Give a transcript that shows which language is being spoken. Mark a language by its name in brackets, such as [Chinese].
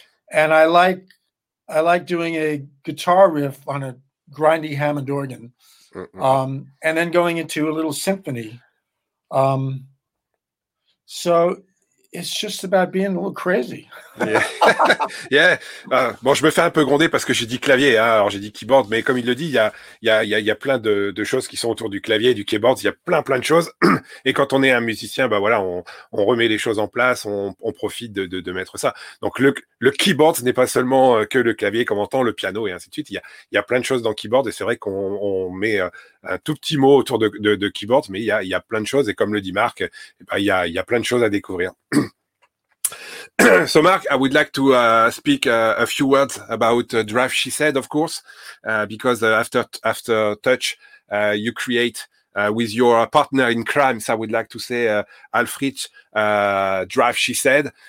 [English] And I like doing a guitar riff on a grindy Hammond organ, and then going into a little symphony. So it's just about being a little crazy. Yeah. [French] Bon, je me fais un peu gronder parce que j'ai dit clavier, hein. Alors j'ai dit keyboard, mais comme il le dit, il y a plein de choses qui sont autour du clavier, du keyboard. Il y a plein de choses. Et quand on est un musicien, bah voilà, on remet les choses en place, on profite de mettre ça. Donc le keyboard, ce n'est pas seulement que le clavier qu'on entend, le piano et ainsi de suite. Il y a plein de choses dans keyboard et c'est vrai qu'on met un tout petit mot autour de keyboard, mais il y a plein de choses. Et comme le dit Marc, bah, il y a plein de choses à découvrir. [English] So, Mark, I would like to speak a few words about Drive, She Said, of course, because after Touch, you create with your partner in crime, so I would like to say Alfred, Drive, She Said.